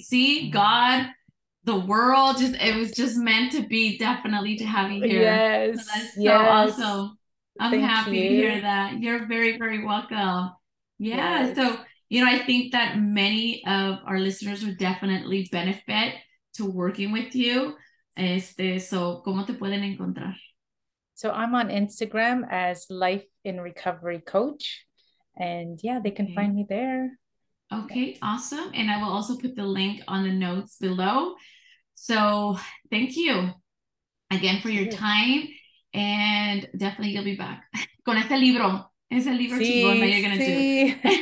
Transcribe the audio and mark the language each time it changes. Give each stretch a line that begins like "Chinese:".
English: See, God, the world, just, it was just meant to be, definitely, to have you here. Yes. So that's so awesome. I'm happy to hear that. You're very, very welcome. Yeah. Yes. So, you know, I think that many of our listeners would definitely benefit to working with you. So,
Spanish: ¿cómo te pueden encontrar?
English: So I'm on Instagram as Life in Recovery Coach. And they can find me there. Okay, awesome. And I will also put the link on the notes below. So thank you again for your time. And definitely you'll be back.
Spanish: Con este libro. Ese libro chingón
English: that you're going to do.